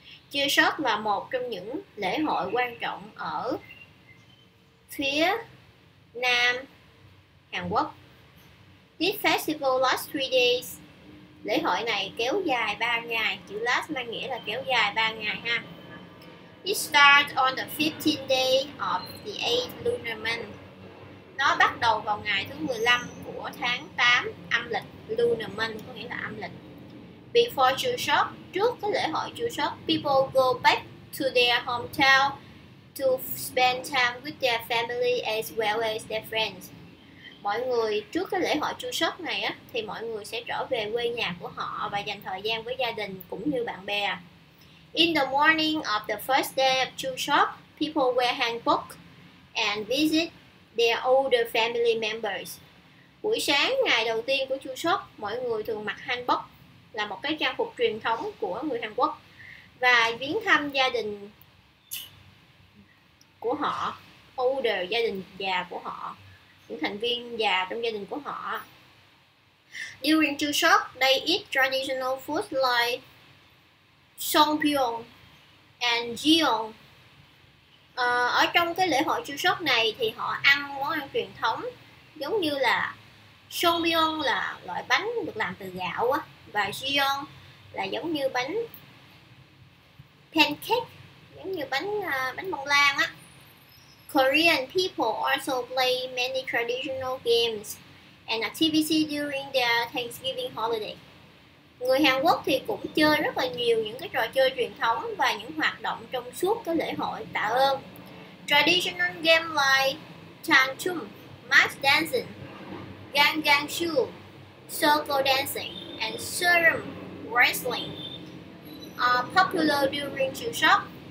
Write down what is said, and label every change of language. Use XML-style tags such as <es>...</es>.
<vi>Chuseok là một trong những lễ hội quan trọng ở phía Nam Hàn Quốc.</vi> <en>This festival lasts 3 days.</en> <vi>Lễ hội này kéo dài 3 ngày. Chữ last mang nghĩa là kéo dài 3 ngày ha.</vi> <en>It starts on the 15th day of the 8th lunar month.</en> <vi>Nó bắt đầu vào ngày thứ 15 của tháng 8 âm lịch, lunar month có nghĩa là âm lịch.</vi> <en>Before Chuseok,</en> <vi>trước cái lễ hội Chuseok,</vi> <en>people go back to their hometown to spend time with their family as well as their friends.</en> <vi>Mọi người trước cái lễ hội Chuseok này á thì mọi người sẽ trở về quê nhà của họ và dành thời gian với gia đình cũng như bạn bè.</vi> <en>In the morning of the first day of Chuseok, people wear hanbok and visit their older family members.</en> <vi>Buổi sáng ngày đầu tiên của Chuseok, mọi người thường mặc hanbok, là một cái trang phục truyền thống của người Hàn Quốc, và viếng thăm gia đình của họ, older, gia đình già của họ, những thành viên già trong gia đình của họ.</vi> <en>During Chuseok, they eat traditional food like songpyeong and jeong.</en> <vi>Ở trong cái lễ hội Chuseok này thì họ ăn món ăn truyền thống giống như là songpyeong, là loại bánh được làm từ gạo á, và jeong là giống như bánh pancake, giống như bánh bánh bông lan á.</vi> <en>Korean people also play many traditional games and activities during their Thanksgiving holiday.</en> <vi>Người Hàn Quốc thì cũng chơi rất là nhiều những cái trò chơi truyền thống và những hoạt động trong suốt cái lễ hội tạ ơn.</vi> <en>Traditional game like Chanchum, Mask Dancing, Gangangshu, Circle Dancing and Serum Wrestling are popular during Chuseok.</en>